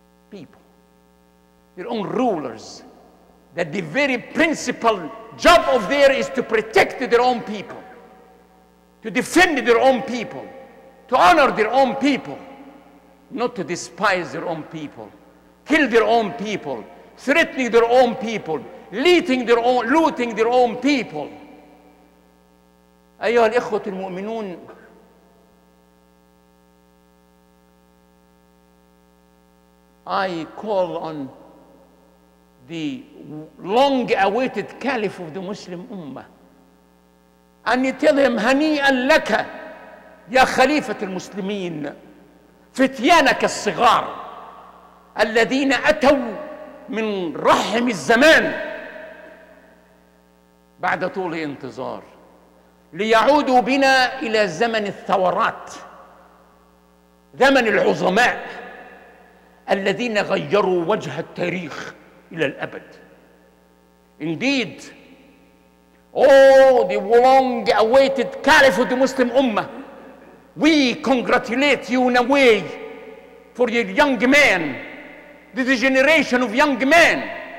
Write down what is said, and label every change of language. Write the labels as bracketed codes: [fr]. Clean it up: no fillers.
[en] people, their own rulers, that the very principal job of theirs is to protect their own people, to defend their own people, to honor their own people, not to despise their own people, kill their own people, threatening their own people, looting their own people. [ar] أيها الإخوة المؤمنون, [en] I call on the long-awaited caliph of the Muslim Ummah and you tell him, [ar] هنيئاً لك يا خليفة المسلمين فتيانك الصغار الذين أتوا من رحم الزمان بعد طول انتظار ليعودوا بنا إلى زمن الثورات, زمن العظماء الذين غيروا وجه التاريخ إلى الأبد. [en] Indeed, the long-awaited caliph of the Muslim Ummah, we congratulate you in a way for your young man, this generation of young men